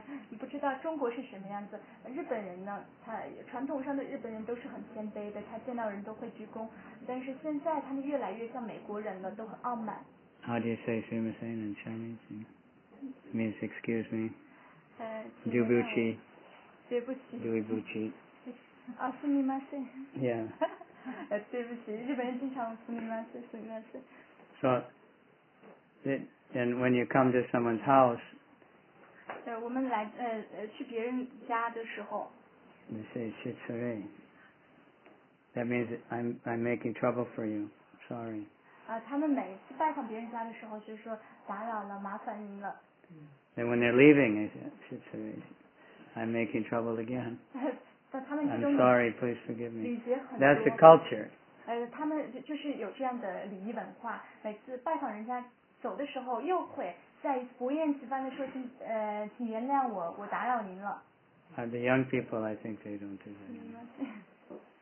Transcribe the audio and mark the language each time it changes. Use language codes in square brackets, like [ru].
[zh] 你不知道中国是什么样子，日本人呢，他传统上的日本人都是很谦卑的，他见到人都会鞠躬，但是现在他们越来越像美国人了，都很傲慢。 [en] How do you say famous name in Chinese? Means excuse me. [zh] 对不起。对不起。对不起。 [ja] 啊，すみません。 [en] Yeah. [zh] 对不起，日本人经常 [ja] すみません、すみません。 [en] So, and when you come to someone's house, [zh] 对，我们来去别人家的时候。 [en] You say, 去吃瑞。That means I'm making trouble for you. Sorry. [zh] 他们每次拜访别人家的时候，就是说打扰了，麻烦您了。 [en] And when they're leaving, I said, I'm making trouble again. I'm sorry, please forgive me. That's the culture. [zh] 他们就是有这样的礼仪文化，每次拜访人家走的时候，又会再不厌其烦的说请请原谅我，我打扰您了。 [en] The young people, I think they don't do that.